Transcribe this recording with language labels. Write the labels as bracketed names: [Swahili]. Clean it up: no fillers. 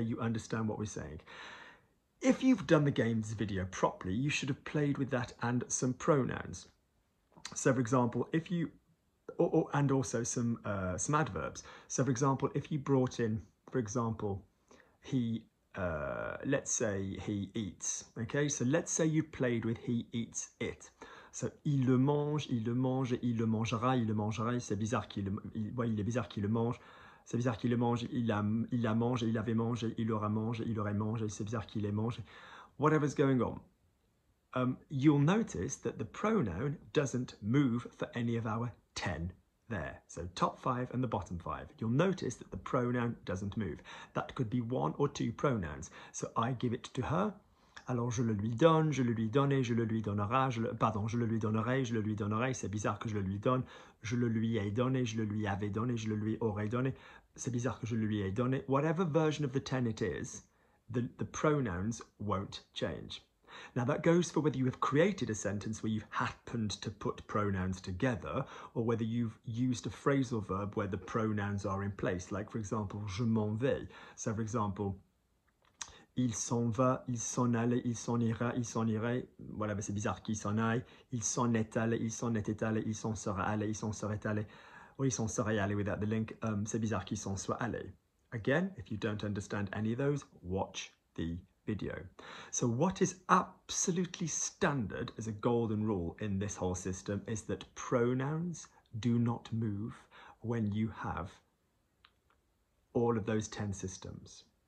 [English] You understand what we're saying. If you've done the games video properly, you should have played with that and some pronouns. So for example, if you, and also some adverbs. So for example, if you brought in, for example, he, let's say he eats, okay? So let's say you played with he eats it. So [French] il le mange, il le mangera, c'est bizarre qu'il, ouais, il est bizarre qu'il le mange. C'est bizarre qu'il le mange, il a mangé, il avait mangé, il aura mangé, il aurait mangé, c'est bizarre qu'il ait mangé. [English] Whatever's going on. You'll notice that the pronoun doesn't move for any of our 10 there. So top five and the bottom five. You'll notice that the pronoun doesn't move. That could be one or two pronouns. So I give it to her. [French] Alors je le lui donne, je le lui donnais, je le lui donnerai, je le lui donnerai, je le lui donnerai, c'est bizarre que je le lui donne. Je le lui ai donné, je le lui avais donné, je le lui aurais donné, c'est bizarre que je lui ai donné. [English] Whatever version of the 10 it is, the pronouns won't change. Now that goes for whether you have created a sentence where you've happened to put pronouns together, or whether you've used a phrasal verb where the pronouns are in place, like for example, [French] je m'en vais. [English] So for example, [French] il s'en va, il s'en allait, il s'en irait, voilà, c'est bizarre qu'il s'en aille, il s'en était allé, il s'en serait allé, il s'en serait allé, or il s'en serait allé [English] without the link, [French] c'est bizarre qu'il s'en soit allé. [English] Again, if you don't understand any of those, watch the video. So what is absolutely standard as a golden rule in this whole system is that pronouns do not move when you have all of those 10 systems.